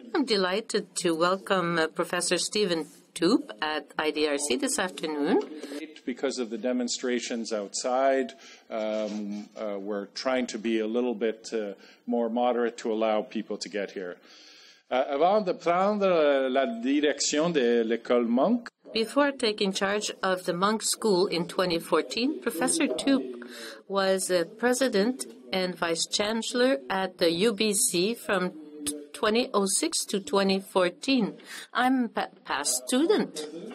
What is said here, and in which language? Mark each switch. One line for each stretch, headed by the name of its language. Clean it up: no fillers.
English: I'm delighted to welcome Professor Stephen Toope at IDRC this afternoon. Because of the demonstrations outside, we're trying to be a little bit more moderate to allow people to get here.
French: Avant de prendre la direction de l'école Munk.
English: Before taking charge of the Munk School in 2014, Professor Toope was president and vice chancellor at the UBC from 2006 to 2014. I'm a past student.